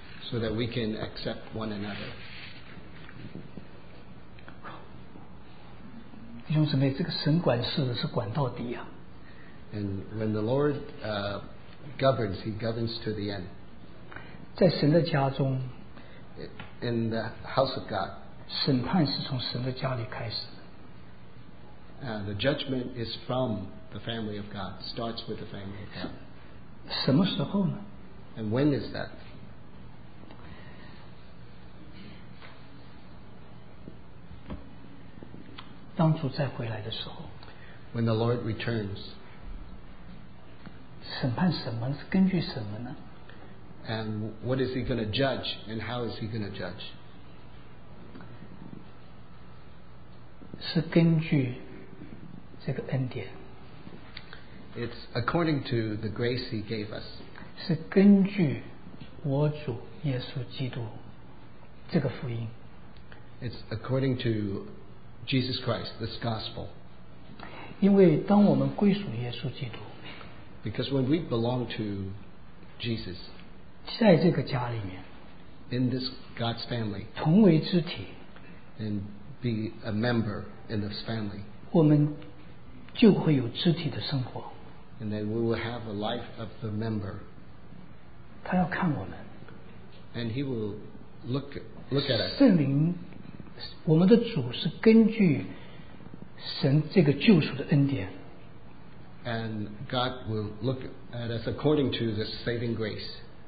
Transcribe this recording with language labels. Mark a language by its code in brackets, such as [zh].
[en] So that we can accept one another. [zh] 弟兄姊妹，这个神管事的是管到底啊。 [en] And when the Lord governs, He governs to the end. [zh] 在神的家中, [en] in the house of God, [zh] 审判是从神的家里开始。 [en] The judgment is from the family of God, starts with the family of God. [zh] 什么时候呢? [en] And when is that? [zh] 当主再回来的时候, [en] when the Lord returns, [zh] 审判什么？根据什么呢？ [en] And what is he going to judge? And how is he going to judge? [zh] 是根据这个恩典。 [en] It's according to the grace He gave us. [zh] 是根据我主耶稣基督这个福音。 [en] It's according to Jesus Christ, this gospel. [zh] 因为当我们归属耶稣基督。 [en] Because when we belong to Jesus, [zh] 在这个家里面。 [en] In this God's family, [zh] 同为肢体。 [en] And be a member in this family. [zh] 我们就会有肢体的生活。 [en] And then we will have a life of the member. [zh] 他要看我们。 [en] And he will look at us. [zh] 圣灵，我们的主是根据神这个救赎的恩典。 [en] And God will look at us according to this saving grace.